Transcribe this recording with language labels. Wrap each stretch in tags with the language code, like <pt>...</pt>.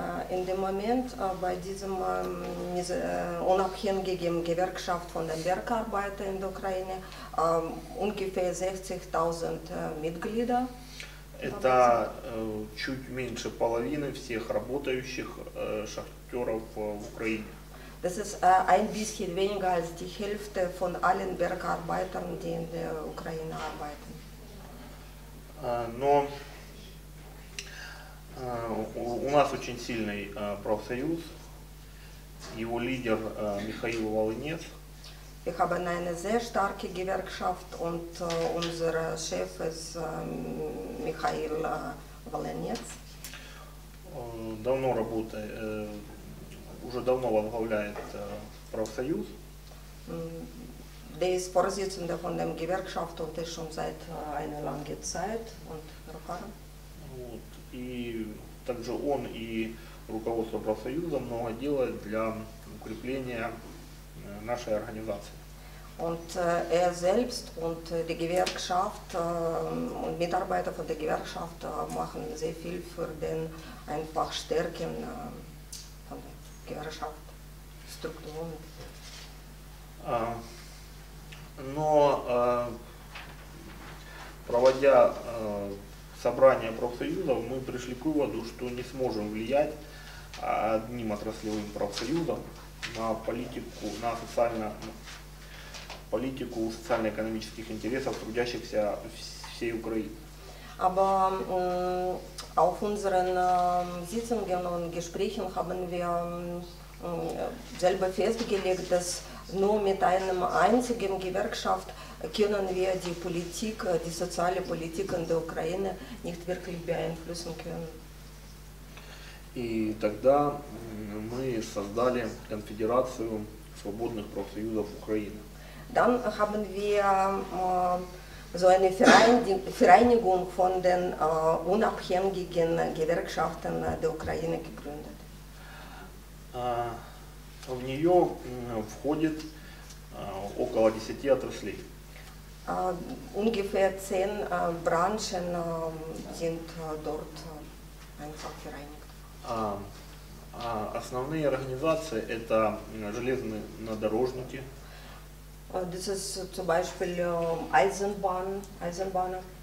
<de>In dem Moment bei diesem unabhängigen Gewerkschaft von den Bergarbeitern in der Ukraine ungefähr 60.000 Mitglieder.</de> <ru>Это чуть меньше половины всех работающих шахтеров в Украине.</ru> <de>Das ist ein bisschen weniger als die Hälfte von allen Bergarbeitern, die in der Ukraine arbeiten.</de> <ru>У нас очень сильный профсоюз, его лидер Михаил Волынец.</ru> <de>Wir haben eine sehr starke Gewerkschaft und unser Chef ist Michail Walenets.</de> <ru>Давно работает, уже давно возглавляет профсоюз.</ru> <de>Der ist Vorsitzender von dem Gewerkschaft und ist schon seit einer langen Zeit und erfahren.</de> <ru>Вот. И также он и руководство профсоюза много делает для укрепления нашей организации.</ru> <de>Und er selbst und die Gewerkschaft und Mitarbeiter von der Gewerkschaft machen sehr viel für den einfach Stärken von der Gewerkschaft, Strukturen.</de> <ru>Но проводя собрание профсоюзов, мы пришли к выводу, что не сможем влиять одним отраслевым профсоюзом на политику, на политику социально-экономических интересов трудящихся всей Украины.</ru> <de>Aber auf unseren Sitzungen und Gesprächen haben wir selber festgelegt, dass nur mit einem einzigen Gewerkschaft können wir die Politik, die soziale Politik in der Ukraine nicht wirklich beeinflussen können.</de> <ru>И тогда мы создали Конфедерацию свободных профсоюзов Украины.</ru> <de>Dann haben wir so eine Vereinigung von den unabhängigen Gewerkschaften der Ukraine gegründet.</de> <ru>В нее входит около 10 отраслей.</ru> <de>Ungefähr 10 Branchen sind dort einfach vereinigt.</de> <ru>Основные организации – это железнодорожники.</ru> <de>Das ist zum Beispiel Eisenbahn, Eisenbahner.</de>